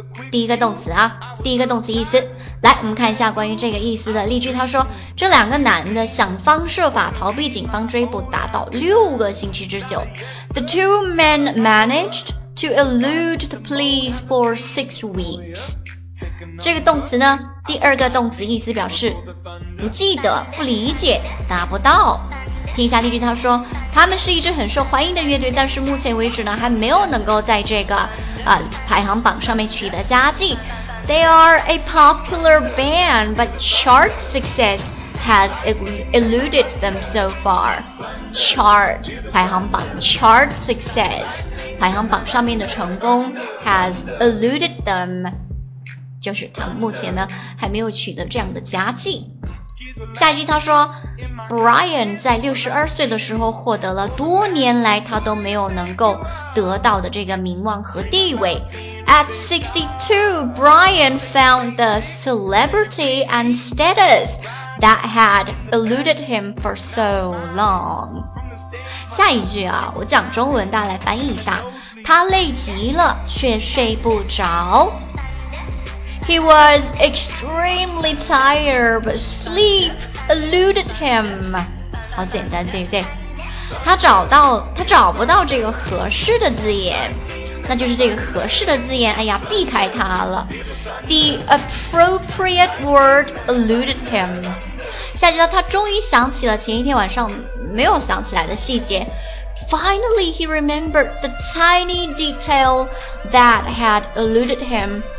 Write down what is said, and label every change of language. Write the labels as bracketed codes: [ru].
[zh] 第一个动词啊，第一个动词意思。来，我们看一下关于这个意思的例句。他说，这两个男的想方设法逃避警方追捕，达到6个星期之久。 [en] The two men managed to elude the police for 6 weeks。 [zh] 这个动词呢，第二个动词意思表示不记得、不理解、达不到。听一下例句，他说，他们是一支很受欢迎的乐队，但是目前为止呢，还没有能够在这个排行榜上面取得佳绩。 [en] They are a popular band, but chart success has eluded them so far. [zh] Chart 排行榜， [en] chart success [zh] 排行榜上面的成功 [en] has eluded them， [zh] 就是他们目前呢还没有取得这样的佳绩。下一句他说， Brian 在62岁的时候获得了多年来他都没有能够得到的这个名望和地位。 [en] At 62, Brian found the celebrity and status that had eluded him for so long。 [zh] 下一句啊，我讲中文，大家来翻译一下。他累极了却睡不着。 [en] He was extremely tired, but sleep eluded him. [zh] 好简单，对不对？他找不到这个合适的字眼，那就是这个合适的字眼，哎呀，避开他了。 [en] The appropriate word eluded him. [zh] 下集到他终于想起了前一天晚上没有想起来的细节。 [en] Finally, he remembered the tiny detail that had eluded him.